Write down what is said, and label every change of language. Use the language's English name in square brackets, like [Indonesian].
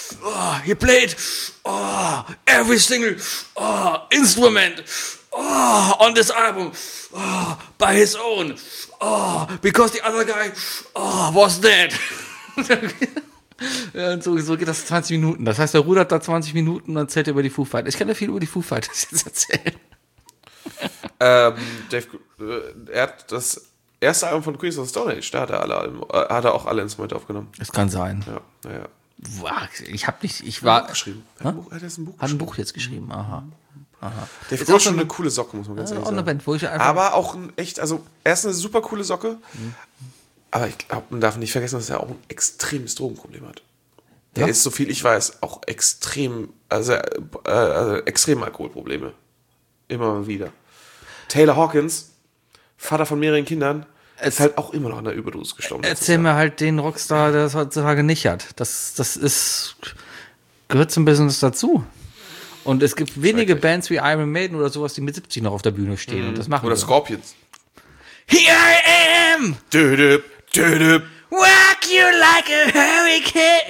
[English] Oh, he played every single instrument on this album by his own. Because the other guy was dead. [German] Ja, und so geht das 20 Minuten. Das heißt, er rudert da 20 Minuten und erzählt über die Foo Fighters. Ich kann ja viel über die Foo Fighters jetzt erzählen. Dave, er hat das erste Album von Queens of the Stone Age, da hat er, alle, hat er auch alle Instrumente aufgenommen. Es kann sein. Ja, naja. Ich habe nicht, ich war. Hat ein Buch jetzt geschrieben, aha. Der ist auch schon eine coole Socke, muss man ganz ehrlich sagen. Band, wo ich einfach aber auch ein echt, also er ist eine super coole Socke, aber ich glaube, man darf nicht vergessen, dass er auch ein extremes Drogenproblem hat. Der ist, so viel ich weiß, auch extrem, also extreme Alkoholprobleme. Immer wieder. Taylor Hawkins, Vater von mehreren Kindern. Er ist halt auch immer noch an der Überdosis gestorben. Erzähl mir halt den Rockstar, der das heutzutage nicht hat. Das ist, gehört zum Business dazu. Und es gibt wenige Bands wie Iron Maiden oder sowas, die mit 70 noch auf der Bühne stehen und das machen. Oder Scorpions. [English] Here I am! Dödöp, dödöp. Rock you like a hurricane!